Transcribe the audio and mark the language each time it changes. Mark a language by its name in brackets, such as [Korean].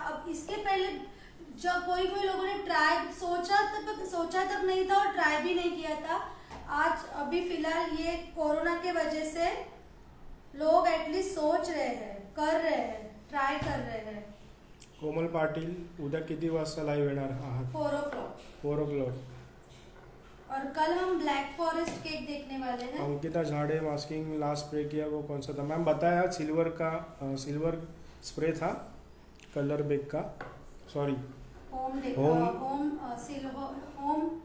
[Hindi] अब इसके पहले जब कोई कोई लोगों ने ट्राई सोचा तक नहीं था और ट्राई भी नहीं किया था. आज अभी फिलहाल ये कोरोना के वजह से लोग एटलीस्ट सोच रहे हैं कर रहे हैं ट्राई कर रहे हैं. [Marathi] कोमल पाटिल उद्या किती वाजता लाइव येणार? [Hindi] 4 o'clock और कल हम ब्लैक फॉरेस्ट केक देखने वाले हैं. अंकिता झाड़े मास्किंग लास्ट स्प्रे किया वो कौन सा था? मैम बताया सिल्वर का सिल्वर स्प्रे था कलर बेक का सॉरी होम सिल्वर होम